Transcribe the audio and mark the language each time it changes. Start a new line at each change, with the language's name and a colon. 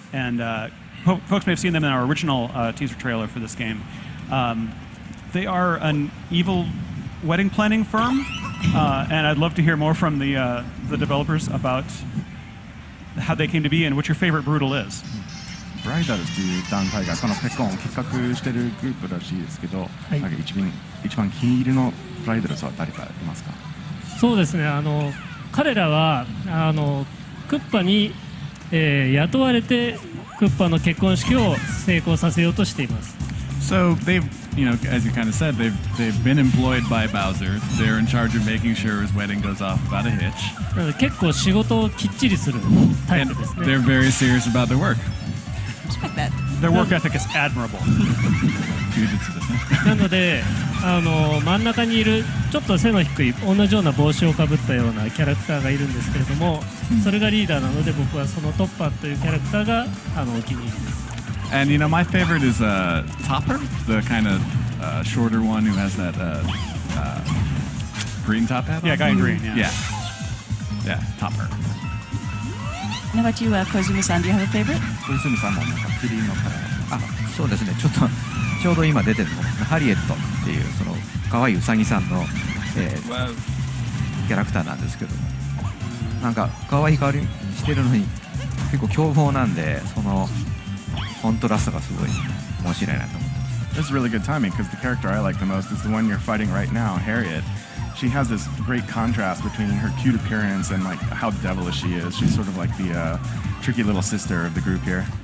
English: And folks may have seen them in our original teaser trailer for this game. They are an evil wedding planning firm, and I'd love to hear more from the developers about how they came to be and what your favorite Brutal is.
Japanese: Bridals という団体がこの結婚を企画しているグループらしいですけど、一番気に入りのブライダルズは誰かいますか？そうですね。彼らはクッパに雇われてクッパの結婚式を成功させようとしています。
English: So they've, you know, as you kind of said, they've been employed by Bowser. They're in charge of making sure his wedding goes off without a hitch. And they're very serious about their work. Respect that. Their work ethic is admirable.
Japanese: なので、真ん中にいるちょっと背の低い同じような帽子をかぶったようなキャラクターがいるんですけれども、それがリーダーなので僕はそのトッパーというキャラクターがお気に入りです。
English: And you know, my favorite is Topper, the kind of shorter one who has that green top hat. Yeah, on. Guy in green. Yeah. Yeah, Topper. How about you, Koizumi-san? Do you have a favorite?
Japanese: Koizumi-san もなんか クリーンのキャラ。あ、そうですね。ちょうど今出てるのハリエットっていうその可愛いウサギさんのキャラクターなんですけど、なんか可愛い変わりしてるのに結構凶暴なんでその。
English: This is really good timing because the character I like the most is the one you're fighting right now, Harriet. She has this great contrast between her cute appearance and like how devilish she is. She's sort of like the tricky little sister of the group here.